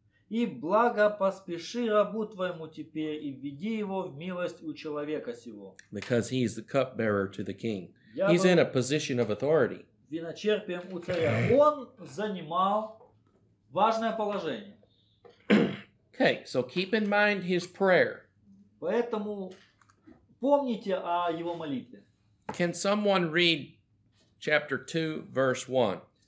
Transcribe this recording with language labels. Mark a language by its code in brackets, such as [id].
[ru] И благо поспеши рабу твоему теперь и введи его в милость у человека сего. [en] Because he is the cupbearer to the king. He's in a position of authority. [ru] Виночерпием у царя. Он занимал важное положение. [en] Okay, so keep in mind his prayer. [ru] Поэтому помните о его молитве. [en] Can someone read chapter 2, verse 1?